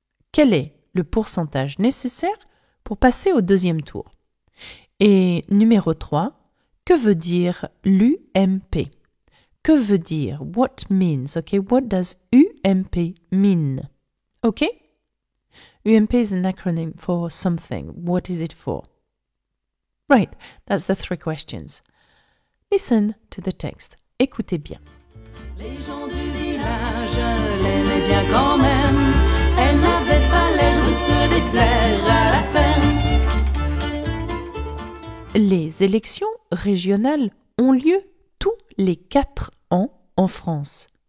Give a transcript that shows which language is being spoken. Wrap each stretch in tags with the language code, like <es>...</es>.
<fr>Quel est le pourcentage nécessaire pour passer au deuxième tour? Et numéro 3, que veut dire l'UMP? Que veut dire,</fr> <en>what means, okay, what does UMP mean? Okay? UMP is an acronym for something. What is it for? Right, that's the three questions. Listen to the text.</en> <fr>Écoutez bien. Les gens du village l'aimaient bien quand même. Elle n'avait pas l'air de se déplaire à la ferme. Les élections régionales ont lieu tous les 4 ans en France.</fr>